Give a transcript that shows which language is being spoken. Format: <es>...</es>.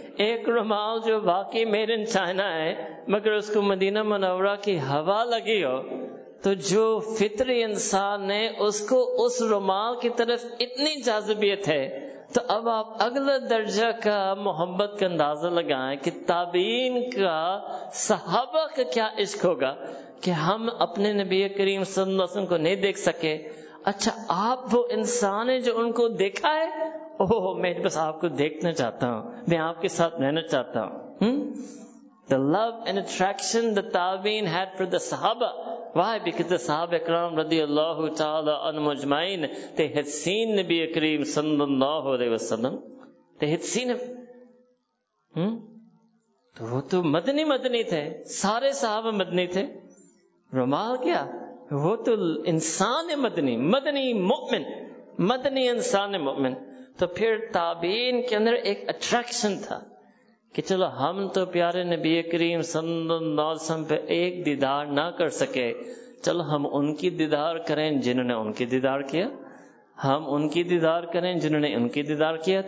<ur>ایک رومال جو واقعی میرے چائنا ہے مگر اس کو مدینہ منورہ کی ہوا لگی ہو, تو جو فطری انسان ہے اس کو اس رومال کی طرف اتنی جاذبیت ہے, تو اب آپ اگلے درجہ کا محبت کا اندازہ لگائیں کہ تابعین کا صحابہ کا کیا عشق ہوگا کہ ہم اپنے نبی کریم صلی اللہ علیہ وسلم کو نہیں دیکھ سکے. اچھا آپ وہ انسان ہیں جو ان کو دیکھا ہے, او میں بس آپ کو دیکھنا چاہتا ہوں, میں آپ کے ساتھ رہنا چاہتا ہوں.</ur> <en>The love and attraction the تابعین had for the صحابہ. Why? Because the Sahaba Ikram radiallahu ta'ala anhum ajmain, they had seen Nabi Akram sallallahu alayhi wa sallam. They had seen him.</en> <ur>تو وہ تو مدنی مدنی تھے, سارے صحابہ مدنی تھے. رومال کیا, وہ تو انسان مدنی, مدنی مؤمن, مدنی انسان مؤمن. تو پھر تابعین کے اندر ایک اٹریکشن تھا کہ چلو ہم تو پیارے نبی کریم صلی اللہ علیہ وسلم پہ ایک دیدار نہ کر سکے, چلو ہم ان کی دیدار کریں جنہوں نے ان کی دیدار کیا, ہم ان کی دیدار کریں جنہوں نے ان کی دیدار کیا.</ur>